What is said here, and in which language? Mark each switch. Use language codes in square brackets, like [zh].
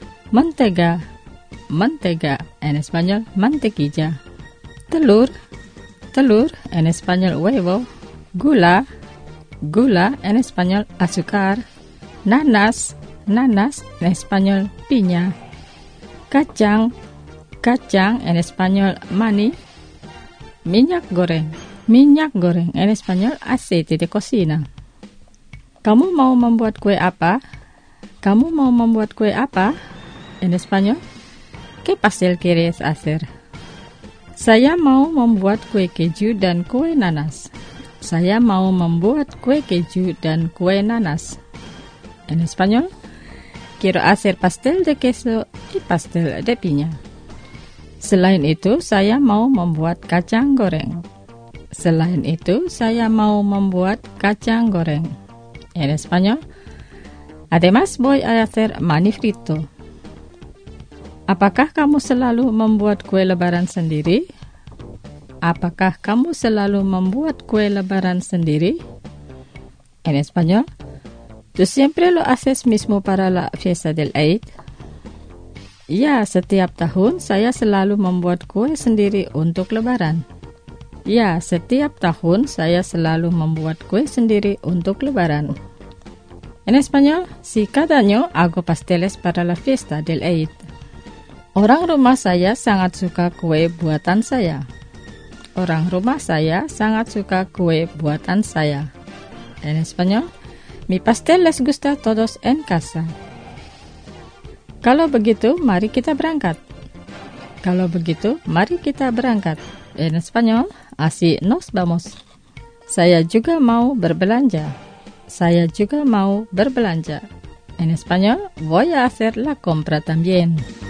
[es] mantega, mantega, en español, mantequilla, telur, telur, en español, huevo, gula, gula, en español, azúcar, nanas, nanas, en español, piña, kacang, kacang, en español, maní, minyak goreng, en español, aceite de cocina. [id] ¿Kamu mau membuat kue apa? ¿Kamu mau membuat kue apa? [es] En español, ¿qué pastel quieres hacer? [id] Saya mau membuat kue keju dan kue nanas. Saya mau membuat kue keju dan kue nanas. [es] En español, quiero hacer pastel de queso y pastel de piña. [id] Selain itu, saya mau membuat kacang goreng. Selain itu, saya mau membuat kacang goreng. [es] En español, además voy a hacer maní frito. [id] Apakah kamu selalu membuat kue lebaran sendiri? Apakah kamu selalu membuat kue lebaran sendiri? [es] En español, ¿tú siempre lo haces mismo para la fiesta del Eid? [id] Ya, setiap tahun saya selalu membuat kue sendiri untuk lebaran. Ya, setiap tahun saya selalu membuat kue sendiri untuk lebaran. [es] En español, sí, cada año hago pasteles para la fiesta del Eid. [id] Orang rumah saya sangat suka kue buatan saya. Orang rumah saya sangat suka kue buatan saya. [es] En español, mi pastel les gusta todos en casa. [id] Kalau begitu, mari kita berangkat. Kalau begitu, mari kita berangkat. [es] En español, así nos vamos. [id] Saya juga mau berbelanja. Saya juga mau berbelanja. [es] En español, voy a hacer la compra también.